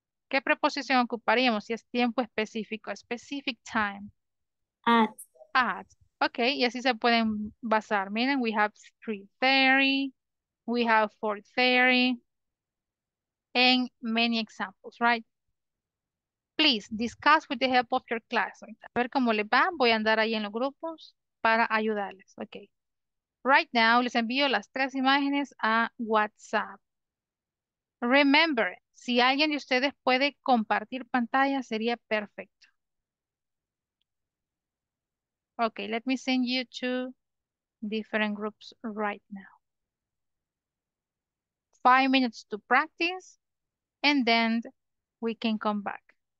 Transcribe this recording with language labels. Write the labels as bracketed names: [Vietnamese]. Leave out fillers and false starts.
[Spanish] ¿Qué preposición ocuparíamos si es tiempo específico? [English] Specific time. At. [Spanish] At. Okay. Y así se pueden basar. Miren, [English] we have 3:30. We have 4:30. And many examples, right? Please discuss with the help of your classmates. [Spanish] A ver cómo les va. Voy a andar ahí en los grupos para ayudarles. Okay. [English] Right now, [Spanish] les envío las tres imágenes a WhatsApp. Remember, si alguien de ustedes puede compartir pantalla, sería perfecto. [English] Okay, let me send you to different groups right now. 5 minutes to practice, and then we can come back.